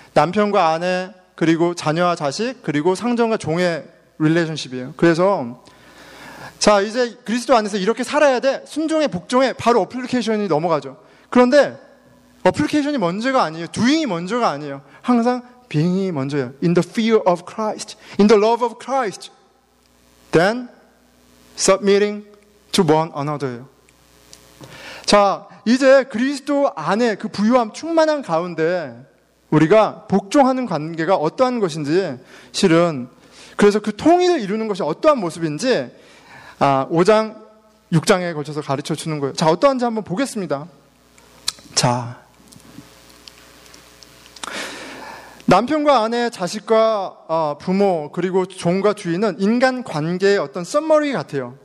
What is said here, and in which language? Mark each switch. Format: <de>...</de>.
<ko>남편과 아내, 그리고 자녀와 자식, 그리고 상전과 종의 릴레이션십이에요. 그래서 자, 이제 그리스도 안에서 이렇게 살아야 돼. 순종의 복종에 바로 어플리케이션이 넘어가죠. 그런데 어플리케이션이 먼저가 아니에요. doing이 먼저가 아니에요. 항상 being이 먼저예요.</ko> <en>In the fear of Christ, in the love of Christ, then submitting to one another.</en> <ko>자, 이제 그리스도 안에 그 부유함 충만한 가운데 우리가 복종하는 관계가 어떠한 것인지, 실은 그래서 그 통일을 이루는 것이 어떠한 모습인지 5장 6장에 걸쳐서 가르쳐 주는 거예요. 자, 어떠한지 한번 보겠습니다. 자, 남편과 아내, 자식과 부모, 그리고 종과 주인은 인간 관계의 어떤 썸머리 같아요.</ko>